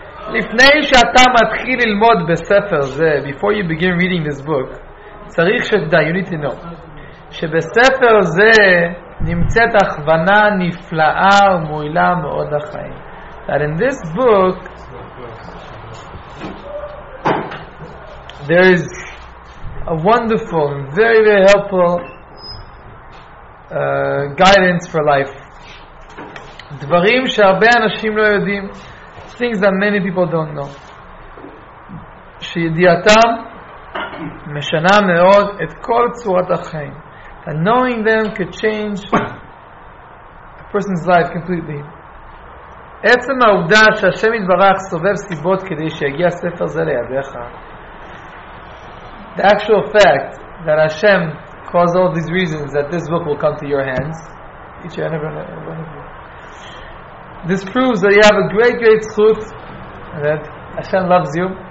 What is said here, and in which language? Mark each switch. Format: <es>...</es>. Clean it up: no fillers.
<he>לפני שאתה מתחיל ללמוד בספר זה,</he> <en>before you begin reading this book,</en> <he>צריך שתדע,</he> <en>you need to know,</en> <he>שבספר זה נמצאת הכוונה נפלאה ומועילה מאוד לחיים.</he> <en>That in this book, there is a wonderful, very, very helpful guidance for life.</en> <he>דברים שהרבה אנשים לא יודעים,</he> <en>things that many people don't know.</en> <he>שידיעתם משנה מאוד את כל צורת החיים.</he> <en>And knowing them could change a person's life completely.</en> <he>עצם העובדה שהשם יתברך סובב סיבות כדי שיגיע ספר זה לידיך.</he> <en>The actual fact that Hashem caused all these reasons that this book will come to your hands. Each and every one of you. This proves that you have a great, great zchut, that Hashem loves you.</en>